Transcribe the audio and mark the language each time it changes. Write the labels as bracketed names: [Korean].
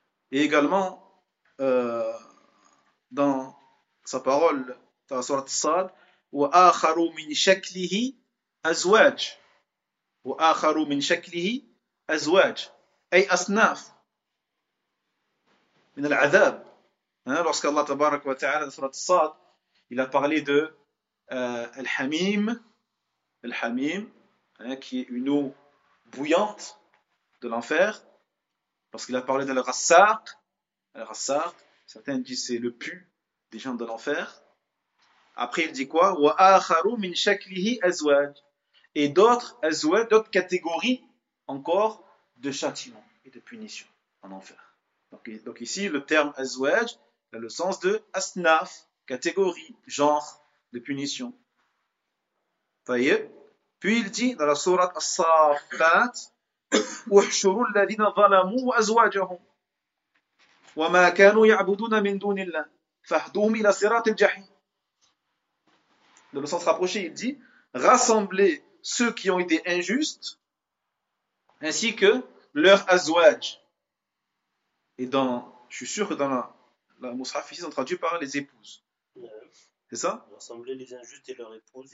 [French] Et également, dans sa parole, dans la sourate Sad, [Arabic] « وَآخَرُ مِنْ شَكْلِهِ أَزْوَاج » وَآخَرُ مِنْ شَكْلِهِ أَزْوَاج أي أصناف من العذاب. [French] Lorsqu'Allah tabarak wa ta'ala dans la sourate Sad, il a parlé de الحميم, qui est une eau bouillante, de l'enfer, lorsqu'il a parlé d'Al-Rassaq, Al-Rassaq, certains disent c'est le pu des gens de l'enfer. Après, il dit quoi? [Arabic] Wa'akharu min shaklihi azwaj. [French] Et d'autres azwaj, d'autres catégories encore de châtiment et de punition en enfer. Donc ici, le terme azwaj a le sens de asnaf, catégorie, genre de punition. Voyez. Puis il dit dans la sourate As-Saffat, [Arabic] وَحْشُرُوا الَّذِينَ ظَلَمُوا وَأَزْوَاجَهُمْ وَمَا كَانُوا يَعْبُدُونَ مِنْ دُونِ اللَّهِ فَاهْدُوهُمْ إِلَى صِرَاطِ الْجَحِيمِ. [French] Dans le sens rapproché, il dit rassemblez ceux qui ont été injustes ainsi que leur azwaj. Et dans, je suis sûr que dans la Mus'haf, ils ont traduit par les épouses. [English] Yeah. [French] C'est ça? Rassemblez les injustes et leurs épouses.